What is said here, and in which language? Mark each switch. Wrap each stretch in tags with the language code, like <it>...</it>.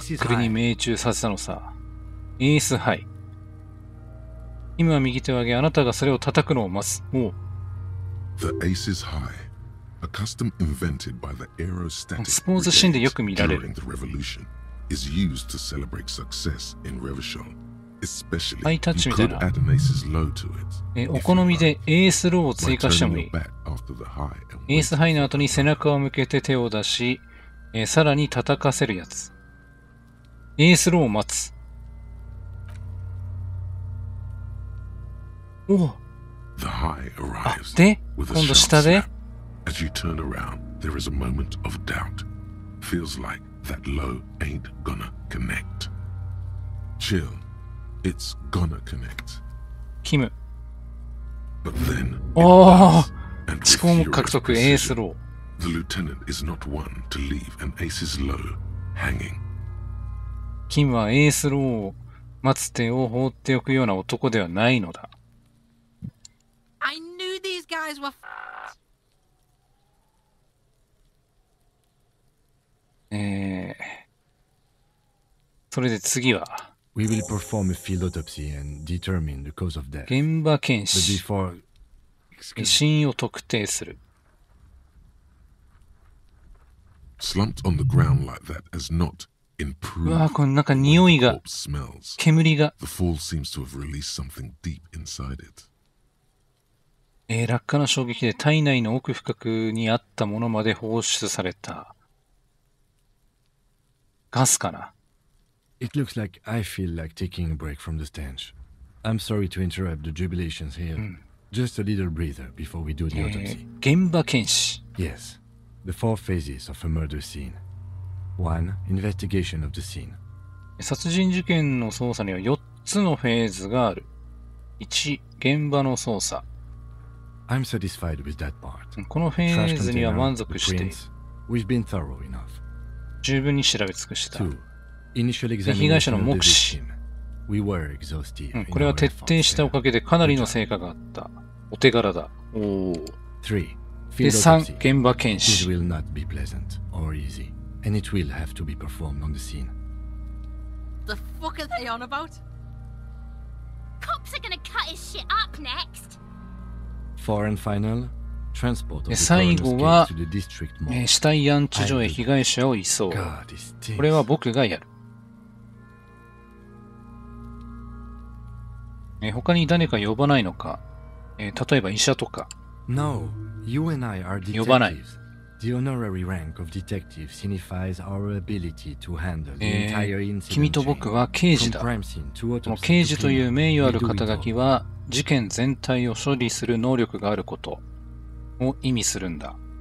<ja>ックルに命中させたのさ。エースハイ。今右手を上げ、あなたがそれを叩くのを待つ。おう。</ja> <en>The ace is high, a custom invented by the aerostatic</en> <ja>スポーツシーンでよく見られる。</ja> <en>During the revolution, is used to celebrate success in Revachol, especially you could add an ace's low to it.</en> <ja>お好みでエースローを追加してもいい。エースハイの後に背中を向けて手を出し、さらに叩かせるやつ。エースローを待つ。おお。</ja> <en>The high arrives.</en> <ja>で、今度下で。</ja> <en>As you turn around, there is a moment of doubt. Feels like that low ain't gonna connect. Chill. It's gonna connect.</en> <ja>キム。</ja> <en>But then.</en> <ja>おお。遅刻獲得エースロー。</ja> <en>The lieutenant is not one to leave an ace's low hanging.</en> <ja>Kim はエースローを待つ手を放っておくような男ではないのだ。</ja> <en>I knew these guys were</en> <ja>それで次は。</ja> <en>We will perform a field autopsy and determine the cause of death.</en> <ja>現場検視。</ja> <en>But before, excuse me.</en> <ja>死因を特定する。</ja> <en>Slumped on the ground like that has not improved.</en> <ja>わあ、このなんか匂いが、煙が。</ja> <en>The fall seems to have released something deep inside it.</en> <ja>落下の衝撃で体内の奥深くにあったものまで放出された。ガスかな。</ja> <en>It looks like I feel like taking a break from the stench. I'm sorry to interrupt the jubilations here. Just a little breather before we do the autopsy.</en> <ja>現場検視。</ja> <en>Yes. The four phases of a murder scene. One, investigation of the scene.</en> <ja>殺人事件の捜査には4つのフェーズがある。 1、現場の捜査。</ja> <en>I'm satisfied with that part.</en> <ja>このフェーズには満足して。</ja> <en>Prints, we've been thorough enough.</en> <ja>十分に調べ尽くした。</ja> <en>2、initial examination</en> <ja>被害者の目視。</ja> <en>We were exhaustive.</en> <ja>これは徹底したおかげでかなりの成果があった。お手柄だ。おお。 3、で3、現場検視。</ja> <en>This will not be pleasant or easy, and it will have to be performed on the scene. The fuck are they on about? Cops are gonna cut his shit up next. Four and final, transport of the coroner's case to the district morgue.</en> <ja>死体安置所へ被害者を移送。</ja> <en>God,</en> <ja>これは僕がやる。他に誰か呼ばないのか、例えば医者とか。</ja> <en>No, you and I are detectives.</en> <ja>呼ばない。</ja> <en>The honorary rank of detective signifies our ability to handle the entire incident.</en> <ja>君と僕は刑事だ。この刑事という名誉ある肩書きは、事件全体を処理する能力があることを意味するんだ。</ja>